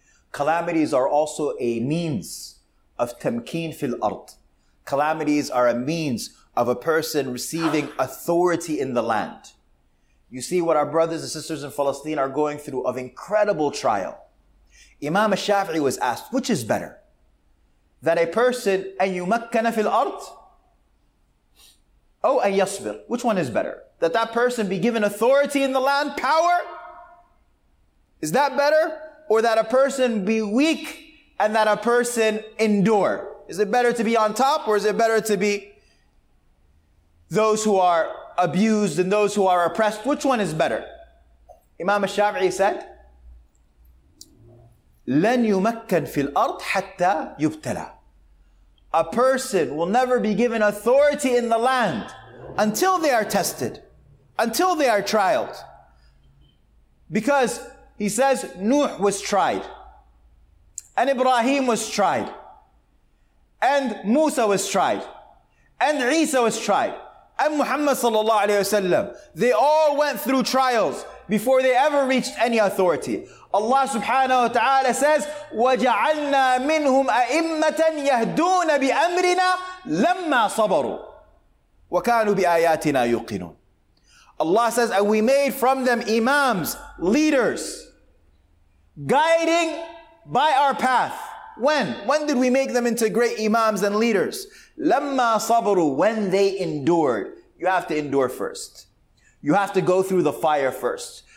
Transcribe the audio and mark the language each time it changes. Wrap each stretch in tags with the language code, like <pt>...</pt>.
<en>Calamities are also a means of tamkeen fil ard. Calamities are a means of a person receiving authority in the land. You see what our brothers and sisters in Palestine are going through of incredible trial. Imam al-Shafi'i was asked, which is better?</en> <ar>That a person, أَن يُمَكَّنَ فِي الْأَرْضِ</ar> <en>Oh, and yasbir. Which one is better? That that person be given authority in the land, power? Is that better? Or that a person be weak and that a person endure? Is it better to be on top, or is it better to be those who are abused and those who are oppressed? Which one is better? Imam al-Shafi'i said,</en> <ar>لَنْ يُمَكَّنْ فِي الْأَرْضِ حَتَّى يُبْتَلَى.</ar> <en>A person will never be given authority in the land until they are tested, until they are trialed. Because he says, Nuh was tried, and Ibrahim was tried, and Musa was tried, and Isa was tried, and Muhammad sallallahu alayhi wa sallam. They all went through trials before they ever reached any authority. Allah subhanahu wa ta'ala says,</en> <ar>وَجَعَلْنَا مِنْهُمْ أَئِمَّةً يَهْدُونَ بِأَمْرِنَا لَمَّا صَبَرُوا وَكَانُوا بِآيَاتِنَا يُقِنُونَ.</ar> <en>Allah says, and we made from them imams, leaders, guiding by our path. When did we make them into great imams and leaders? لَمَّا صَبَرُوا, when they endured. You have to endure first. You have to go through the fire first.</en>